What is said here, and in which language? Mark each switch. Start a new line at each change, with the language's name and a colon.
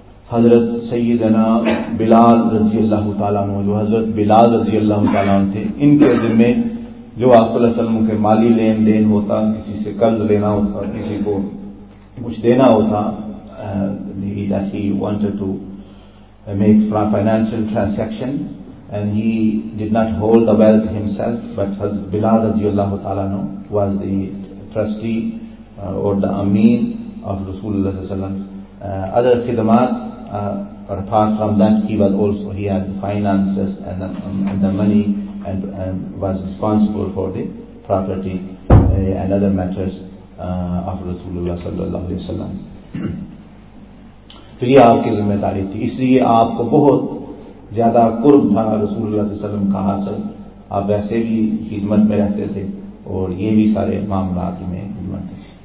Urdu: حضرت سیدنا بلال رضی اللہ تعالیٰ عنہ، جو حضرت بلال رضی اللہ تعالیٰ عنہ تھے، ان کے ذمے جو آپ صلی اللہ علیہ وسلم کے مالی لین دین ہوتا، کسی سے قرض لینا ہوتا، کسی کو کچھ دینا ہوتا،
English: He wanted to make financial transaction and he did not hold the wealth himself, but Hazrat Bilal رضی اللہ تعالیٰ عنہ was the trustee or the amin of رسول اللہ صلی اللہ علیہ وسلم. Other khidmat apart from that, he had finances and the money and was responsible for the property and other matters of رسول اللہ صلی اللہ علیہ وسلم.
Urdu: تو یہ آپ کی ذمہ داری تھی، اس لیے آپ کو بہت زیادہ قرب تھا رسول اللہ صلی اللہ علیہ وسلم کا حاصل. آپ ویسے بھی خدمت میں رہتے تھے اور یہ بھی سارے معاملات میں خدمت تھے.